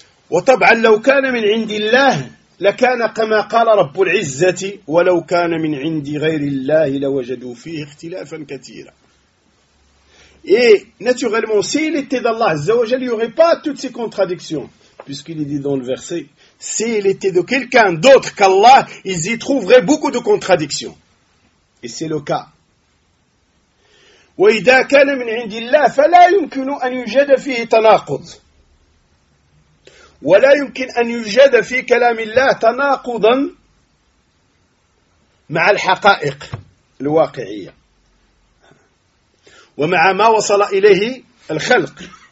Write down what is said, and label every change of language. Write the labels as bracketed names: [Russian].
[Arabic] وطبعا لو كان من عند الله لكان كما قال رب العزة ولو كان من عند غير الله لوجدوا فيه اختلافا كثيرا. [French] Et naturellement, s'il était d'Allah Azza wa Jal, il n'y aurait pas toutes ces contradictions. Puisqu'il est dit dans le verset, s'il était de quelqu'un d'autre qu'Allah, ils y trouveraient beaucoup de contradictions. Et c'est le cas. [Arabic] وإذا كان من عند الله فلا يمكن أن يوجد فيه تناقض. ولا يمكن أن يوجد في كلام الله تناقضا مع الحقائق الواقعية ومع ما وصل إليه الخلق